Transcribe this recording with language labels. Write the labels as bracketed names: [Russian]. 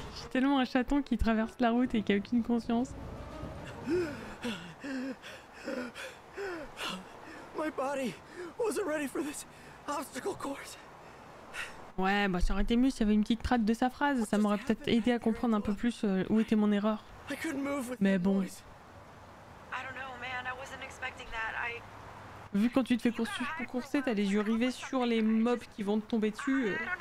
[French] Tellement un chaton qui traverse la route et qui a aucune conscience. [English] My body wasn't ready for this obstacle course. [French] Ouais, bah ça aurait été mieux s'il y avait une petite trace de sa phrase. Ça m'aurait peut-être aidé à comprendre un peu plus où était mon erreur. Mais bon. Vu quand tu te fais courser, t'as les yeux rivés sur les mobs qui vont te tomber dessus.